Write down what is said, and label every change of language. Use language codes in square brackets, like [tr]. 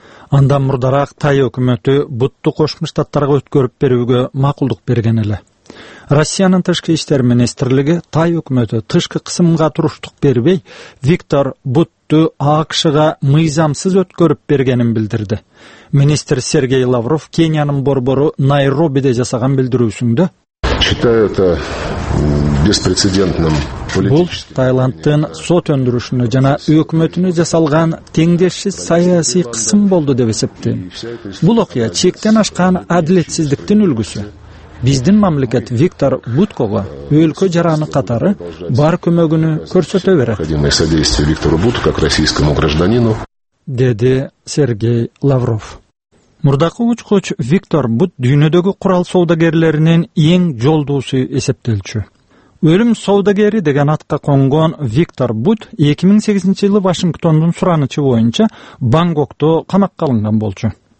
[ky] Андан мурдараак Тай өкмөтү Бутту Кошмо Штаттарга өткөрүп берүүгө макулдук берген эле. Россиянын тышкы иштер министрлиги Тай өкмөтү тышкы кысымга туруштук бербей, Виктор Бутту АКШга мыйзамсыз өткөрүп бергенин билдирди. Министр Сергей Лавров Кениянын борбору Найробиде жасаган билдирүүсүндө [ru] считаю это беспрецедентным [ky] Бул Тайландтын сот өндүрүшүнө жана өкмөтүнө жасалган теңдешсиз саясий кысым болду деп эсептейм. Бул окуя чектен ашкан адилетсиздиктин үлгүсү. Биздин мамлекет Виктор Буткого өлкө жараны катары бар көмөгүнү көрсөтө берет. [ru] Необходимое содействие Виктору Бутту как российскому гражданину. [ky] Деди Сергей Лавров. Мурдакы учкуч Виктор Бут дүйнөдөгү курал соодагерлеринин эң жолдуусу эсептелчү. Өлүм соодагери деген атка конгон Виктор Бут 2008 жылы Вашингтондун суранычы боюнча Бангкокто камакка алынган болчу.